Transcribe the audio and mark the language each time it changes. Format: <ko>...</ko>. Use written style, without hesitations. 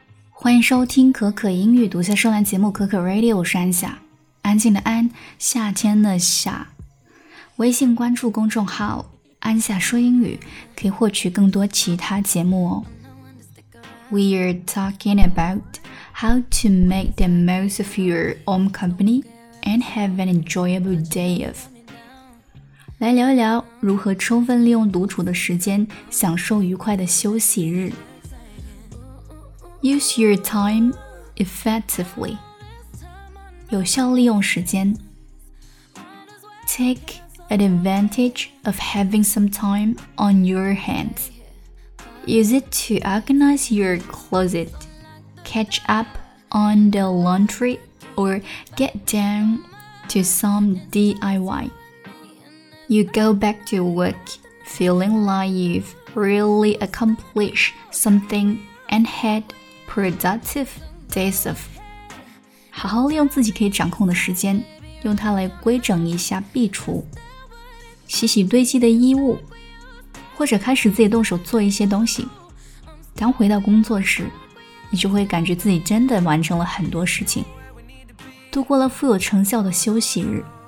<zh>欢迎收听可可英语读下说完节目可可 Radio， 我是安夏，安静的安，夏天的夏。微信关注公众号安夏说英语，可以获取更多其他节目哦。</zh> <en>We are talking about how to make the most of your own company and have an enjoyable day of.</en> <zh>来聊一聊如何充分利用独处的时间，享受愉快的休息日。</zh> <en>Use your time effectively.</en> <zh>有效利用时间。</zh> <en>Take advantage of having some time on your hands. Use it to organize your closet, catch up on the laundry, or get down to some DIY. You go back to work feeling like you've really accomplished something and had productive days of.</en> <zh>好好利用自己可以掌控的时间，用它来规整一下壁橱，洗洗堆积的衣物，或者开始自己动手做一些东西。当回到工作时，你就会感觉自己真的完成了很多事情，度过了富有成效的休息日。</zh>